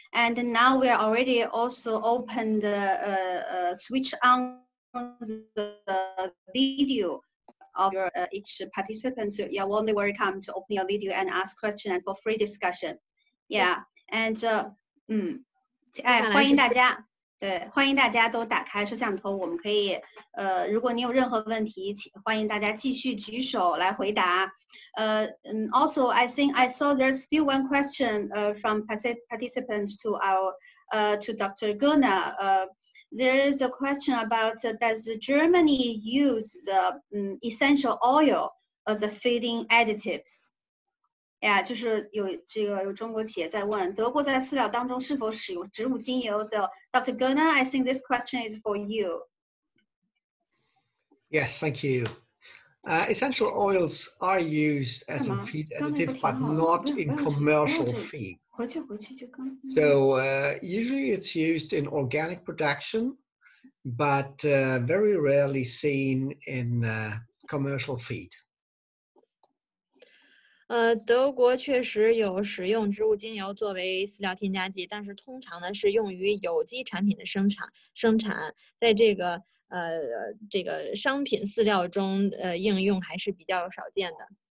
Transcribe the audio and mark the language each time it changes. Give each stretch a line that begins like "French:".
English: And now we are already also open the switch on the video of your, each participant. So you're warmly welcome to open your video and ask questions and for free discussion. Yeah. And,
Chinese: 欢迎大家。对，欢迎大家都打开摄像头，我们可以，如果你有任何问题，请欢迎大家继续举手来回答。
English: Also, I think I saw there's still one question, from participants to our, to Dr. Gunnar. There is a question about, does Germany use the, essential oil as a feeding additives? Yeah,
Chinese: 就是有这个有中国企业在问德国在饲料当中是否使用植物精油。
English: So, Dr. Gunnar, I think this question is for you. Yes, thank you. Essential oils are used as a feed additive, but not in commercial feed. So, usually it's used in organic production, but very rarely seen in commercial feed.
Chinese: 德国确实有使用植物精油作为饲料添加剂，但是通常呢是用于有机产品的生产。在这个这个商品饲料中应用还是比较少见的。